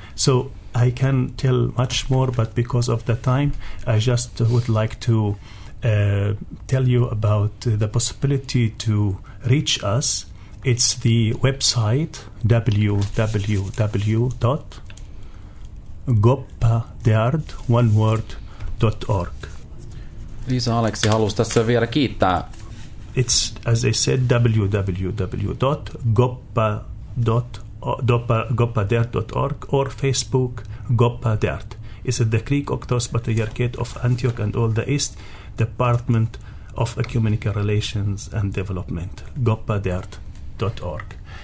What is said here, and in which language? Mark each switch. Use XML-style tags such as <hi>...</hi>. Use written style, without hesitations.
<en>So I can tell much more, but because of the time, I just would like to tell you about the possibility to reach us It's the website www.goppadeard.org.</en> <fi>Liisa Aleksi halusi tässä vielä kiittää.</fi> <en>It's, as I said, www.goppadeard.org or Facebook Goppadeard. It's the Greek Octos Patriarchate of Antioch and all the East Department of Ecumenical Relations and Development, goppadeard.org.</en>